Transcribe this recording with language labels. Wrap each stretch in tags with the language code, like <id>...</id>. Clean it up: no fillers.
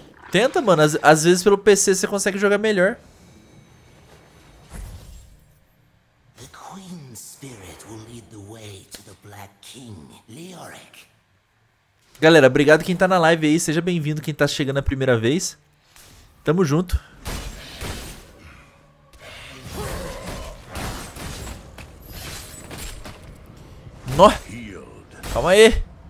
<pt>Tenta, mano. Às vezes pelo PC você consegue jogar melhor.</pt> <en>The Queen Spirit will lead the way to the Black King, Leoric.</en> <pt>Galera, obrigado quem tá na live aí. Seja bem-vindo quem tá chegando a primeira vez. Tamo junto. Nó! Calma aí!</pt>